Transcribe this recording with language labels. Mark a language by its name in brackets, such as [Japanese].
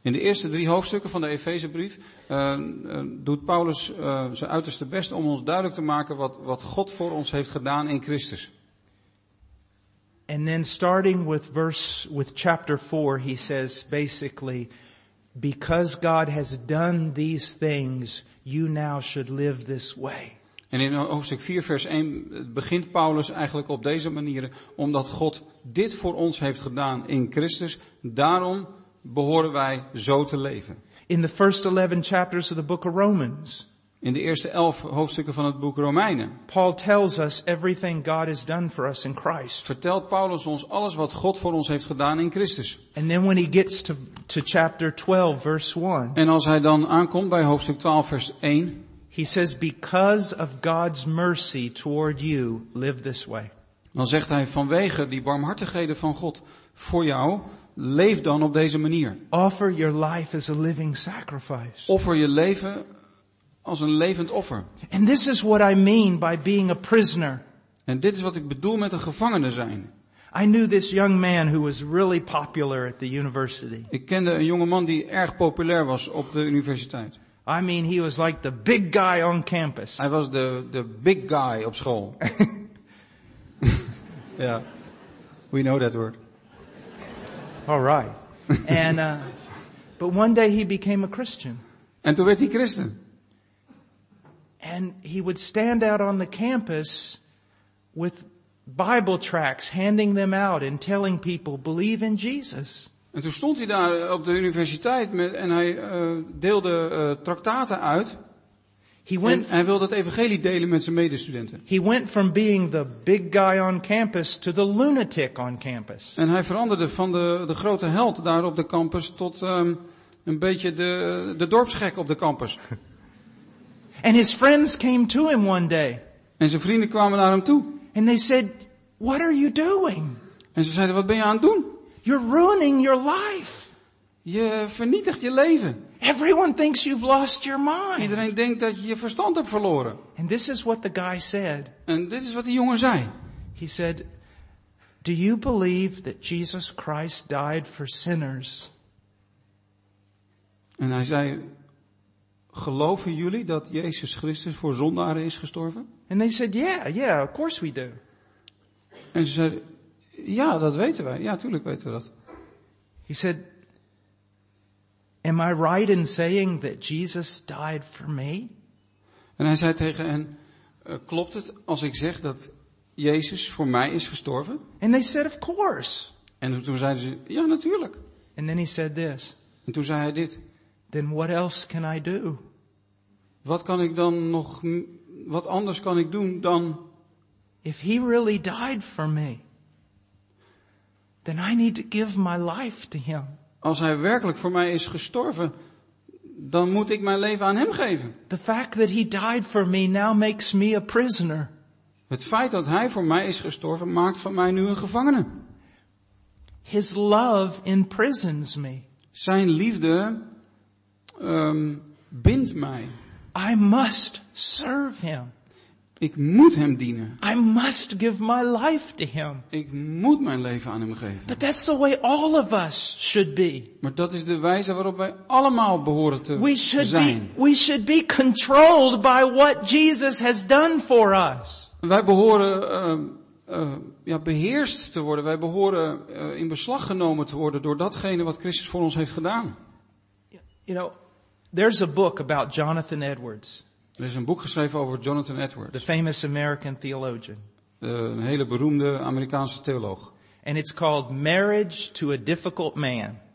[Dutch] In de eerste drie hoofdstukken van de Efezebrief doet Paulus zijn uiterste best om ons duidelijk te maken wat God voor ons heeft gedaan in Christus. [English] And then starting with chapter 4, he says basically, because God has done these things, you now should live this way. [Dutch] En in hoofdstuk 4 vers 1 begint Paulus eigenlijk op deze manier, omdat God dit voor ons heeft gedaan in Christus, daarom behoren wij zo te leven. [English] In the first 11 chapters of the book of Romans. [Dutch] In de eerste 11 hoofdstukken van het boek Romeinen. [English] Paul tells us everything God has done for us in Christ. [Dutch] Vertelt Paulus ons alles wat God voor ons heeft gedaan in Christus. [English] And then when he gets to chapter 12 verse 1. [Dutch] En als hij dan aankomt bij hoofdstuk 12 vers 1. [English] He says, because of God's mercy toward you, live this way. [Dutch] Dan zegt hij, vanwege die barmhartigheden van God voor jou, leef dan op deze manier. [English] Offer your life as a living sacrifice. [Dutch] Offer je leven als een levend offer. [English] And this is what I mean by being a prisoner. [Dutch] En dit is wat ik bedoel met een gevangene zijn. [English] I knew this young man who was really popular at the university. [Dutch] Ik kende een jonge man die erg populair was op de universiteit. [English] I mean, he was like the big guy on campus. [Dutch] Hij was de [English] big guy [Dutch] op school. [English] Yeah, we know that word. All right. And but one day he became a Christian. [Dutch] En toen werd hij christen. [English] And he would stand out on the campus with Bible tracts, handing them out and telling people, believe in Jesus. [Dutch] En toen stond hij daar op de universiteit en hij deelde tractaten uit. Hij wilde het evangelie delen met zijn medestudenten. [English] He went from being the big guy on campus to the lunatic on campus. [Dutch] En hij veranderde van de grote held daar op de campus tot een beetje de dorpsgek op de campus. [English] And his friends came to him one day. [Dutch] En zijn vrienden kwamen naar hem toe. [English] And they said, "What are you doing?" [Dutch] En ze zeiden, wat ben je aan het doen? [English] You're ruining your life. [Dutch] Je vernietigt je leven. [English] Everyone thinks you've lost your mind. [Dutch] Iedereen denkt dat je je verstand hebt verloren. [English] And this is what the guy said. [Dutch] En dit is wat die jongen zei. [English] He said, "Do you believe that Jesus Christ died for sinners?" [Dutch] En hij zei, geloven jullie dat Jezus Christus voor zondaren is gestorven? [English] And they said, yeah, of course we do. [Dutch] En ze zeiden, ja, dat weten wij. Ja, tuurlijk weten we dat. [English] He said, "Am I right in saying that Jesus died for me?" [Dutch] En hij zei tegen hen, klopt het als ik zeg dat Jezus voor mij is gestorven? [English] And they said, of course. [Dutch] En toen zeiden ze, ja, natuurlijk. [English] And then he said this. [Dutch] En toen zei hij dit. [English] Then what else can I do? [Dutch] Wat kan ik dan nog, wat anders kan ik doen dan? [English] If he really died for me, then I need to give my life to him. [Dutch] Als hij werkelijk voor mij is gestorven, dan moet ik mijn leven aan hem geven. [English] The fact that he died for me now makes me a prisoner. [Dutch] Het feit dat hij voor mij is gestorven maakt van mij nu een gevangene. [English] His love imprisons me. [Dutch] Zijn liefde bindt mij. [English] I must serve him. [Dutch] Ik moet hem dienen. [English] I must give my life to him. [Dutch] Ik moet mijn leven aan hem geven. [English] But that's the way all of us should be. [Dutch] Maar dat is de wijze waarop wij allemaal behoren te zijn. [English] We should be controlled by what Jesus has done for us. [Dutch] Wij behoren beheerst te worden. Wij behoren in beslag genomen te worden door datgene wat Christus voor ons heeft gedaan. [English] You know, there's a book about Jonathan Edwards. [Dutch] Er is een boek geschreven over Jonathan Edwards. [English] The famous American theologian. [Dutch] Een hele beroemde Amerikaanse theoloog. [English] And it's called Marriage to a Difficult Man.